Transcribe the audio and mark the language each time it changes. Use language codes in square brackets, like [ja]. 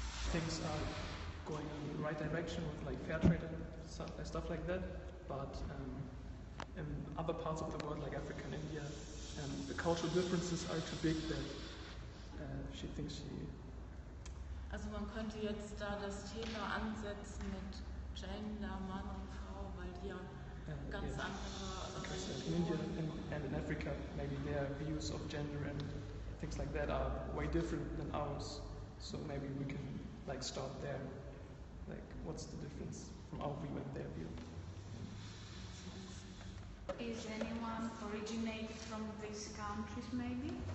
[en] Things are going in the right direction with like fair trade and stuff like that, but in other parts of the world, like Africa and India, the cultural differences are too big that she thinks she... [de] Also man könnte jetzt da das Thema ansetzen mit Gender, Mann und Frau, weil die ja ganz andere... [en] In India and in Africa, maybe their views of gender and things like that are way different than ours. So maybe we can like start there. Like, what's the difference from our view and their view? Is anyone originated from these countries, maybe?